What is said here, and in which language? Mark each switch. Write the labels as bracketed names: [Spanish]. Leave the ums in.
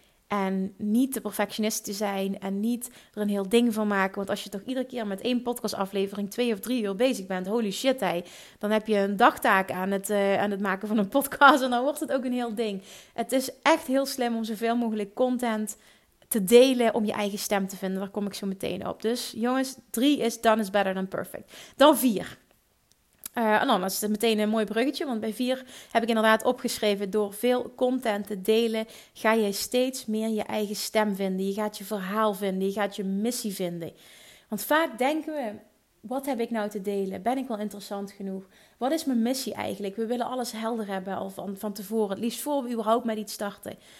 [Dutch] En niet de perfectionist te zijn en niet er een heel ding van maken. Want als je toch iedere keer met één podcastaflevering twee of drie uur bezig bent, [English] holy shit, hey, [Dutch] dan heb je een dagtaak aan het, eh, aan het maken van een podcast en dan wordt het ook een heel ding. Het is echt heel slim om zoveel mogelijk content te delen om je eigen stem te vinden. Daar kom ik zo meteen op. Dus jongens, drie is [English] done is better than perfect. [Dutch] Dan vier. Eh, en dan is het meteen een mooi bruggetje, want bij vier heb ik inderdaad opgeschreven: door veel content te delen, ga jij steeds meer je eigen stem vinden. Je gaat je verhaal vinden, je gaat je missie vinden. Want vaak denken we: wat heb ik nou te delen? Ben ik wel interessant genoeg? Wat is mijn missie eigenlijk? We willen alles helder hebben al van, van tevoren, het liefst voor we überhaupt met iets starten.